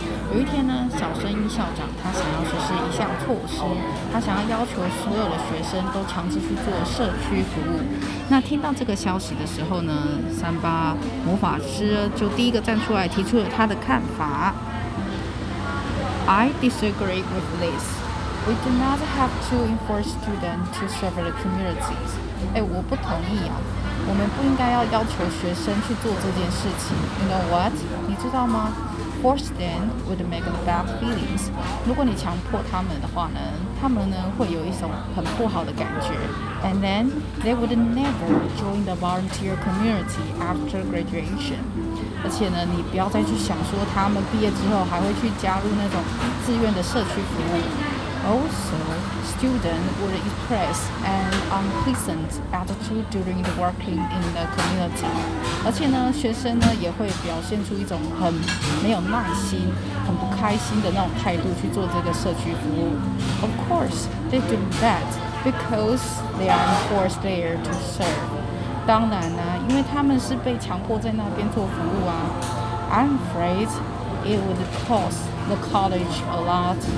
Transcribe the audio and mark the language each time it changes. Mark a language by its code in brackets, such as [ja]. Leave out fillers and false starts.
[zh] 有一天呢，小声音校长他想要实施一项措施，他想要要求所有的学生都强制去做社区服务。那听到这个消息的时候呢，三八魔法师就第一个站出来提出了他的看法。 [en] I disagree with this. We do not have to enforce students to serve the communities. [zh] 我不同意啊，我们不应该要要求学生去做这件事情。 [en] You know what? [zh] 你知道吗？ [en] Force them would make them bad feelings. [zh] 如果你强迫他们的话呢，他们呢会有一种很不好的感觉。 [en] And then they would never join the volunteer community after graduation. [zh] 而且呢，你不要再去想说他们毕业之后还会去加入那种自愿的社区服务。 [en] Also, students would express an unpleasant attitude during the working in the community. [zh] 而且呢，学生呢也会表现出一种很没有耐心、很不开心的那种态度去做这个社区服务。 [en] Of course, they do that because they are forced there to serve. [zh] 当然呢，因为他们是被强迫在那边做服务啊。 [en] I'm afraid it would cost the college a lot.